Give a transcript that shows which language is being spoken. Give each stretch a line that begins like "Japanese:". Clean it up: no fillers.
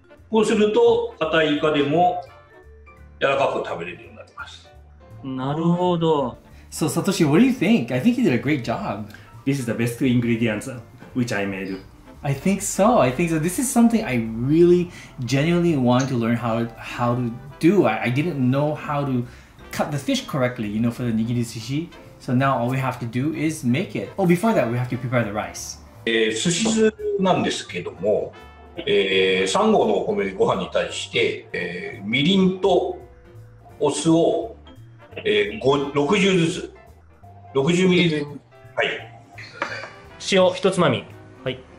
Japanese: こうすると、硬いイカでも柔らかく食べれるようになります。なるほど。
English: So Satoshi, what do you think? I think you did a great job. This is the best ingredients which I made. I think so. I think so. This is something I really genuinely wanted to learn how to do. I didn't know how to cut the fish correctly, you know, for the nigiri sushi. So now all we have to do is make it. Oh, before that, we have to prepare the rice.
Japanese: Sushi なんですけども、 3合のお米ご飯に対して、みりんとお酢を、60ずつ60ミリずつ、はい、塩一つまみ、はい、